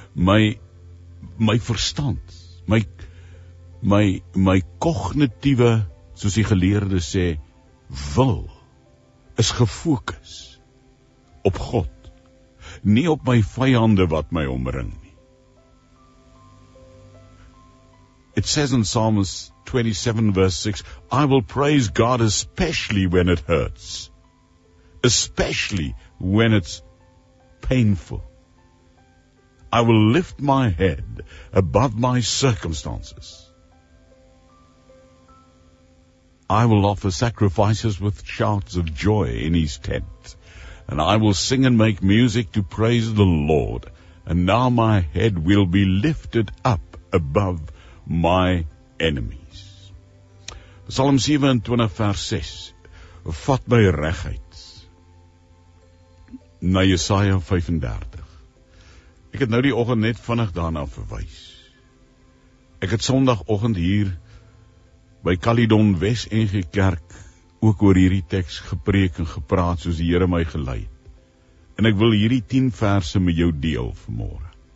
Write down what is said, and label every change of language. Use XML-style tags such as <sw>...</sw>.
<af>My verstand, my kognitiewe, soos die geleerde sê, wil, is gefokus op God, nie op my vyande wat my omring nie.</af> <en>It says in Psalms 27 verse 6, I will praise God especially when it hurts, especially when it's painful. I will lift my head above my circumstances. I will offer sacrifices with shouts of joy in His tent. And I will sing and make music to praise the Lord. And now my head will be lifted up above my enemies.</en> <af>Psalm 27 vers 6. Vat my reguit. Na Jesaja 35. Ek het nou die oggend net vinnig daarna verwys. Ek het sondagoggend hier by Caledon Wes NG Kerk ook oor hierdie teks gepreek en gepraat soos die Here my gelei het. En ek wil hierdie 10 verse met jou deel vanmôre.</af>